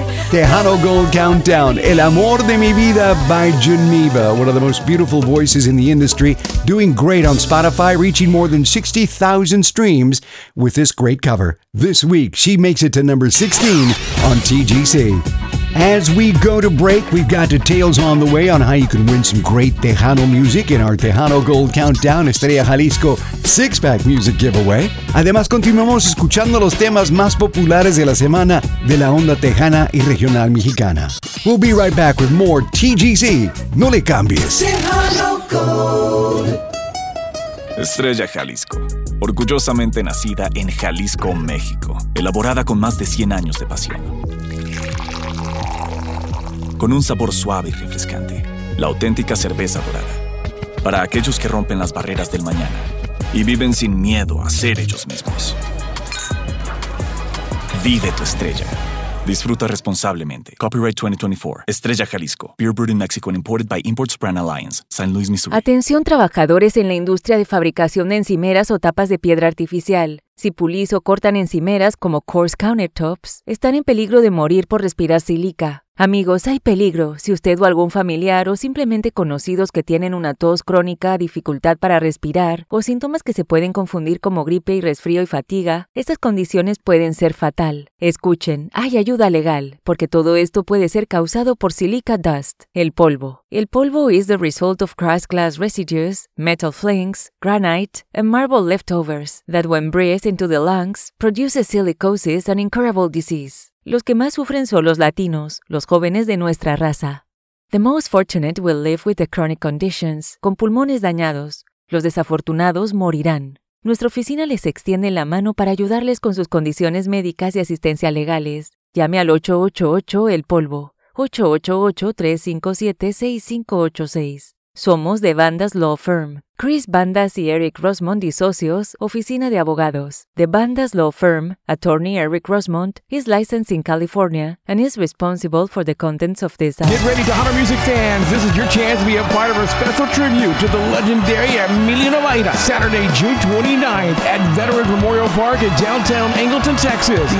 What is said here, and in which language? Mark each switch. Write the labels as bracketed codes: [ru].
[en] Tejano Gold Countdown, El Amor de Mi Vida by Geneva, one of the most beautiful voices in the industry, doing great on Spotify, reaching more than 60,000 streams with this great cover. This week, she makes it to number 16 on TGC. As we go to break, we've got details on the way on how you can win some great Tejano music in our Tejano Gold Countdown Estrella Jalisco six-pack music giveaway. [es] Además, continuamos escuchando los temas más populares de la semana de la onda tejana y regional mexicana. [en] We'll be right back with more TGC. [es] No le cambies. Tejano Gold. Estrella Jalisco. Orgullosamente nacida en Jalisco, México. Elaborada con más de 100 años de pasión. Con un sabor suave y refrescante, la auténtica cerveza dorada. Para aquellos que rompen las barreras del mañana y viven sin miedo a ser ellos mismos. Vive tu estrella. Disfruta responsablemente. Copyright 2024. Estrella Jalisco. [en] Beer brewed in Mexico and imported by Imports Brand Alliance. San Luis, Missouri. [es] Atención trabajadores en la industria de fabricación de encimeras o tapas de piedra artificial. Si pulís o cortan encimeras como coarse countertops, están en peligro de morir por respirar sílica. Amigos, hay peligro. Si usted o algún familiar o simplemente conocidos que tienen una tos crónica, dificultad para respirar o síntomas que se pueden confundir como gripe y resfrío y fatiga, estas condiciones pueden ser fatal. Escuchen, hay ayuda legal, porque todo esto puede ser causado por silica dust, el polvo. [en] El polvo is the result of crushed glass residues, metal flakes, granite, and marble leftovers that when breathed into the lungs, produces silicosis and incurable disease. [es] Los que más sufren son los latinos, los jóvenes de nuestra raza. [en] The most fortunate will live with the chronic conditions, [es] con pulmones dañados. Los desafortunados morirán. Nuestra oficina les extiende la mano para ayudarles con sus condiciones médicas y asistencia legales. Llame al 888-EL-POLVO, 888-357-6586. Somos de Bandas Law Firm. Chris Bandas y Eric Rosmond y socios, oficina de abogados. [en] The Bandas Law Firm, attorney Eric Rosmond, is licensed in California and is responsible for the contents of this app. Get ready to honor music fans. This is your chance to be a part of a special tribute to the legendary Emilio Navaira. Saturday, June 29th at Veterans Memorial Park in downtown Angleton, Texas.